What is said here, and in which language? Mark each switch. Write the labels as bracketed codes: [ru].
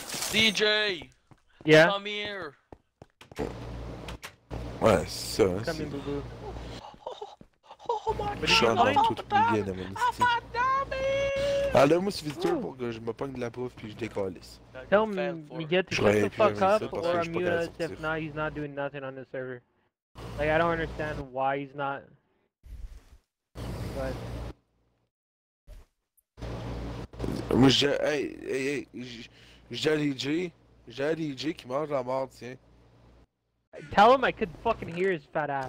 [en] DJ! Yeah? Come here! [fr] Ouais, ça c'est... Oh, oh, oh, oh, oh, mon dieu, allez, moi, c'est visiteur pour que je me pogne de la bouffe puis je décalisse. [en] Tell me, Miguel, to shut the fuck up or unmute us. If not, he's not doing nothing on the server. Like, I don't understand why he's not. But. [fr] Moi, j'ai DJ qui mange la mort, tiens. [en] Tell him I could fucking hear his fat ass.